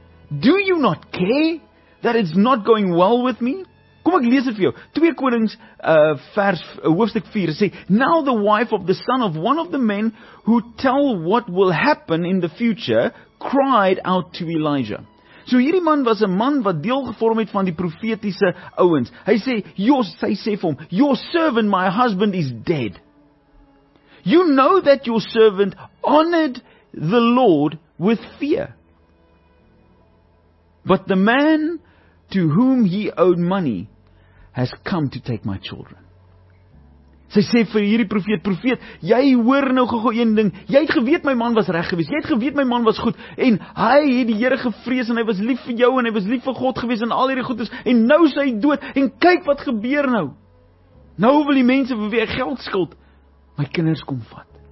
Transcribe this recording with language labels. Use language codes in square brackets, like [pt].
[en] Do you not care that it's not going well with me? [af] Kom ek lees dit vir jou. 2 Konings hoofstuk 4 sê, [en] now the wife of the son of one of the men who tell what will happen in the future cried out to Elijah. [af] So hierdie man was 'n man wat deel gevorm het van die profetiese ouens. Hy sê, sy sê vir hom, [en] your servant, my husband, is dead. You know that your servant honored the Lord with fear. But the man to whom he owed money has come to take my children. [af] Sy sê vir hierdie profeet, jy hoor nou gou een ding, jy het geweet my man was reg geweest, jy het geweet my man was goed, en hy het die Here gevrees, en hy was lief vir jou, en hy was lief vir God geweest, en al hierdie goeders, en nou is hy dood, en kyk wat gebeur nou. Nou wil die mense vir wie ek geld skuld, my kinders kom vat.